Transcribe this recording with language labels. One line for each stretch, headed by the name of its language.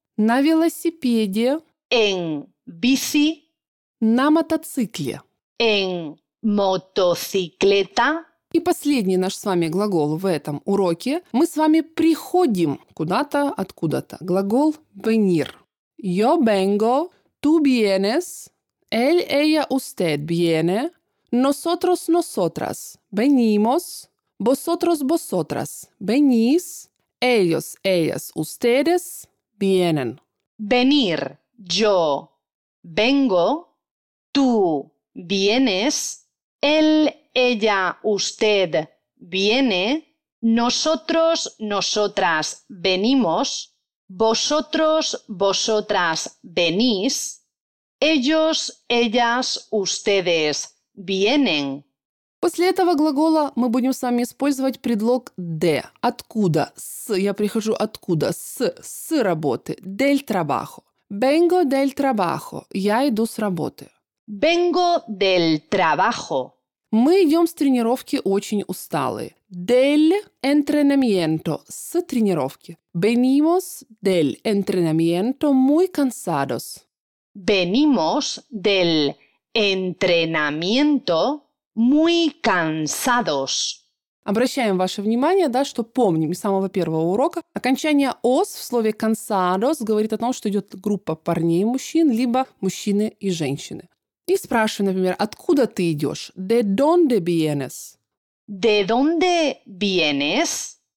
Russian: На велосипеде.
Spanish: En bici.
Russian: На мотоцикле.
Spanish: En motocicleta.
Russian: И последний наш с вами глагол в этом уроке. Мы с вами приходим куда-то, откуда-то. Глагол venir.
Spanish: Yo vengo, tú vienes, él, ella, usted viene, nosotros, nosotras, venimos, vosotros, vosotras, venís, ellos, ellas, ustedes, vienen. Venir, yo vengo, tú vienes, él, ella, usted viene, nosotros, nosotras, venimos. Vosotros, vosotras, venís. Ellos, ellas, ustedes, vienen.
Russian: После этого глагола мы будем с вами использовать предлог «de». Откуда? С. Я прихожу откуда? С работы.
Spanish: Del trabajo. Vengo del trabajo.
Russian: Я иду с работы.
Spanish: Vengo del trabajo.
Russian: Мы идем с тренировки очень усталые.
Spanish: Del entrenamiento.
Russian: С тренировки.
Spanish: Venimos del entrenamiento muy cansados. Venimos del entrenamiento muy cansados.
Russian: Обращаем ваше внимание, да, что помним из самого первого урока. Окончание «os» в слове «cansados» говорит о том, что идет группа парней и мужчин, либо мужчины и женщины. И спрашиваю, например, откуда ты идешь?
Spanish: De dónde vienes? De dónde vienes?